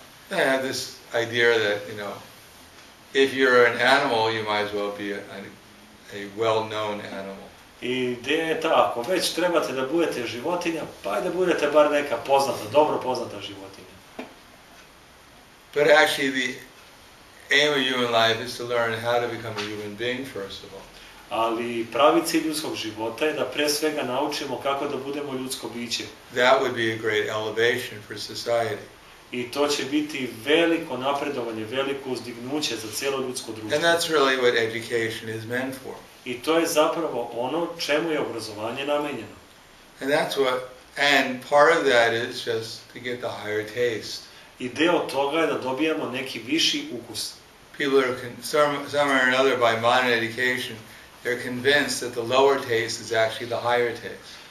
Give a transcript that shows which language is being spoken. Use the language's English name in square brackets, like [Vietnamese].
[English] I have this idea that, you know, if you're an animal, you might as well be a well-known animal. [Serbian] Ideja je ta, ako već trebate da budete životinja, pa da budete bar neka poznata, dobro poznata životinja. [English] But actually the aim of human life is to learn how to become a human being first of all. [Serbian] Ali pravi cilj ljudskog života je da pre svega naučimo kako da budemo ljudsko biće. [English] That would be a great elevation for society. [Serbian] I to će biti veliko napredovanje, veliko uzdignuće za cijelo ljudsko društvo. [English] And that's really what education is meant for. [Serbian] I to je zapravo ono čemu je obrazovanje namijenjeno. [English] And that's what, and part of that is just to get the higher taste. [Serbian] I deo toga je da dobijamo neki viši ukus. [English] People are some or another by modern education, they're convinced that the lower taste is actually the higher taste.